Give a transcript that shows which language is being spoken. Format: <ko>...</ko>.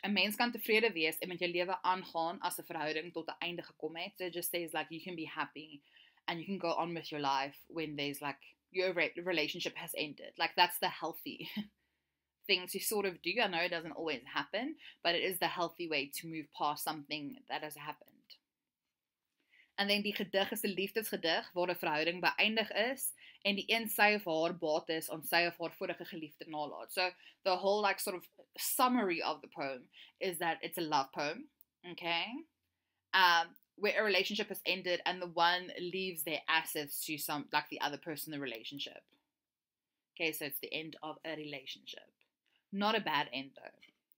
<af>A mens kan tevrede wees en met jou lewe aangaan as 'n verhouding tot 'n einde gekom het.</af> <en>So it just says, like, you can be happy and you can go on with your life when there's, like, your relationship has ended. Like, that's the healthy thing to sort of do. I know it doesn't always happen, but it is the healthy way to move past something that has happened. And then</en> <af>die gedig is 'n liefdesgedig waar 'n verhouding beëindig is en die een sy of haar baat is om sy of haar vorige geliefde nalaat.</af> <en>So the whole, like, sort of summary of the poem is that it's a love poem, okay? Where a relationship has ended and the one leaves their assets to some, like, the other person in the relationship. Okay, so it's the end of a relationship. Not a bad end, though.</en>